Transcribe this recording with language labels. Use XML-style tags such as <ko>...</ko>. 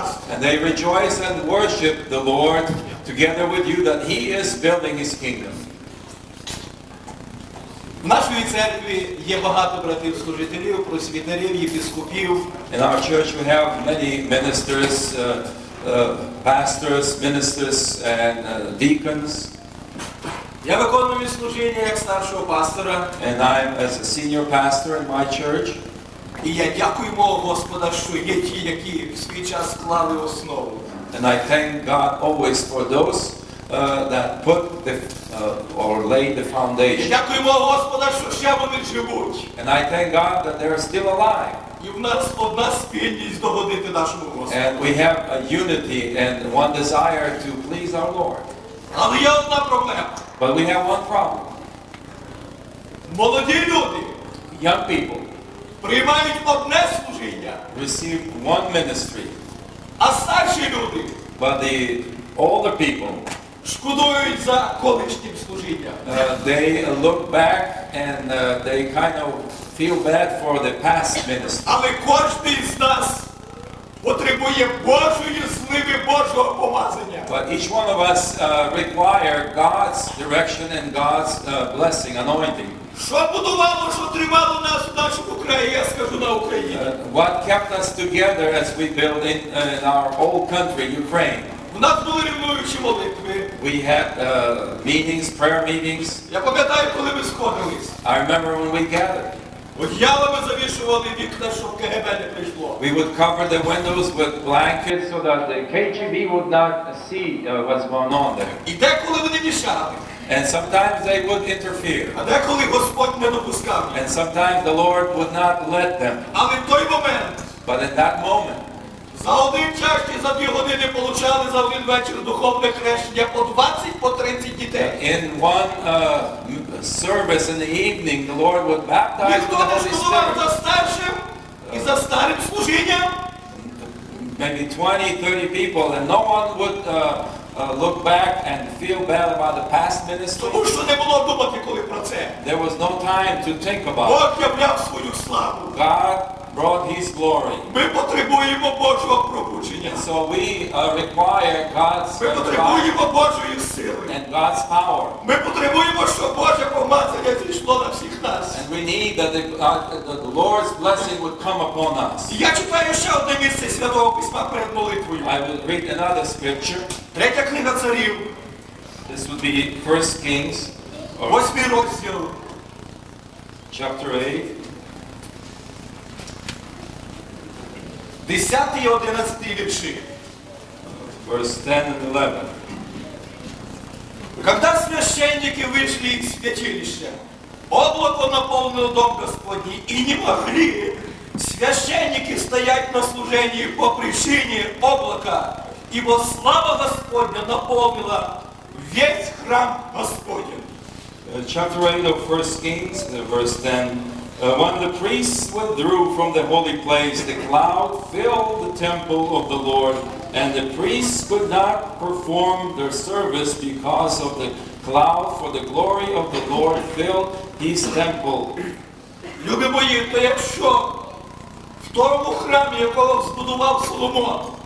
<en>And they rejoice and worship the Lord together with you that He is building His kingdom.</en> <uk>В нашій церкві є багато братів-служителів, просвітерів, єпископів.</uk> <en>In our church we have many ministers, pastors, ministers and deacons.</en> <uk>Я виконую служіння як старшого пастора.</uk> <en>And I'm as a senior pastor in my church.</en> <uk>І я дякую мого Господа, що є ті, які в свій час склали основу.</uk> <en>And I thank God always for those that put the or laid the foundation.</en> <uk>Дякуємо Господа, що ще вони живуть.</uk> <en>And I thank God that they are still alive.</en> <uk>І в нас одна спільність догодити нашому Господу.</uk> <en>And we have a unity and one desire to please our Lord.</en> <uk>Але є одна проблема.</uk> <en>But we have one problem.</en> <uk>Молоді люди,</uk> <en>young people,</en> <uk>приймають одне служіння,</uk> <en>receive one ministry.</en> <uk>А старші люди,</uk> <en>but the older people,</en> <uk>шкодують за колишнім служінням.</uk> <en>They look back and they kind of feel bad for the past ministry.</en> <uk>Але кожен із нас потребує Божої сливи, Божого помазання.</uk> <en>But each one of us require God's direction and God's blessing, anointing.</en> <uk>Що будувало, що тримало нас в нашому краї, я скажу на Україні.</uk> <en>What kept us together as we built in our old country, Ukraine.</en> <uk>У нас були ревнуючі молитви.</uk> <en>We had meetings, prayer meetings.</en> <uk>Я пам'ятаю, коли ми сходились.</uk> <en>I remember when we gathered.</en> <uk>Одіялами завішували вікна, щоб КГБ не прийшло.</uk> <en>We would cover the windows with blankets so that the KGB would not see what's going on there.</en> <uk>І деколи вони мішали.</uk> <en>And sometimes they would interfere.</en> <uk>А деколи Господь не допускав.</uk> <en>And sometimes the Lord would not let them.</en> <uk>Але в той момент.</uk> <en>But in that moment.</en> <uk>За один час чи за дві години получали за один вечір духовне хрещення по 20, по 30 дітей.</uk> <en>In one service in the evening, the Lord would baptize with the Holy Spirit.</en> <uk>Ніхто не шкодував за старшим і за старим служінням.</uk> <en>Maybe 20, 30 people, and no one would look back and feel bad about the past ministry.</en> <uk>Тому що не було думати коли про це.</uk> <en>There was no time to think about</en> <uk>it. Бог являв свою славу.</uk> <en>God brought His glory.</en> <uk>Ми потребуємо Божого пробудження.</uk> <en>So we require God's</en> <uk>power. Ми потребуємо Божої сили.</uk> <en>And God's power.</en> <uk>Ми потребуємо, щоб Боже помазання зійшло на всіх нас.</uk> <en>And we need that the Lord's blessing would come upon us.</en> <uk>Я читаю ще одне місце Святого Письма перед молитвою.</uk> <en>I will read another scripture.</en> <uk>Третя книга царів.</uk> <en>This would be 1 Kings.</en> <uk>8 розділ.</uk> <en>Chapter 8.</en> <uk>10 і 11 вірші.</uk> <en>Verse 10 and 11.</en> <uk>Когда священники вийшли із святилища, облако наповнило дом Господній, і не могли священники стоять на служенні по причині облака, ібо слава Господня наповнила весь храм Господень.</uk> <en>Chapter 8 of 1 Kings, verse 10. When the priests withdrew from the holy place, the cloud filled the temple of the Lord, and the priests could not perform their service because of the cloud, for the glory of the Lord filled His temple.</en> <uk>Люби мої, то якщо в второму храмі, якого збудував Соломон,</uk>